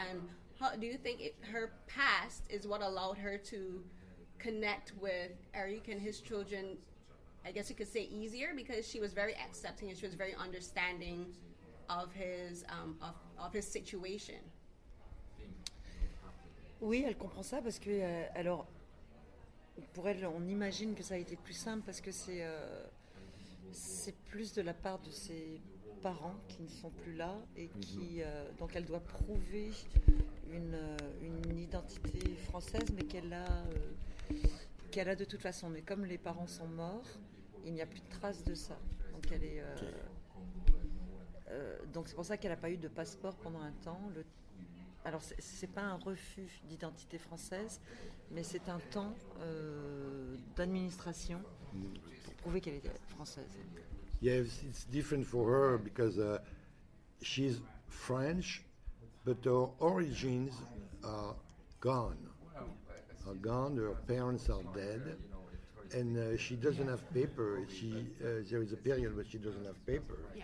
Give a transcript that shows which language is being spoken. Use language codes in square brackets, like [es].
[en] And how do you think her past is what allowed her to connect with Eric and his children, I guess you could say, easier, because she was very accepting and she was very understanding of his his situation? [fr] Oui, elle comprend ça parce que alors pour elle, on imagine que ça a été plus simple parce que c'est plus de la part de ses parents qui ne sont plus là et qui donc elle doit prouver une identité française, mais qu'elle a de toute façon. Mais comme les parents sont morts, il n'y a plus de trace de ça. Donc elle est donc c'est pour ça qu'elle n'a pas eu de passeport pendant un temps. Alors c'est pas un refus d'identité française, mais c'est un temps d'administration pour prouver qu'elle est française. [en] Yes, it's different for her because she's French, but her origins are gone. Her parents are dead, and she doesn't have paper. There is a period, but she doesn't have paper.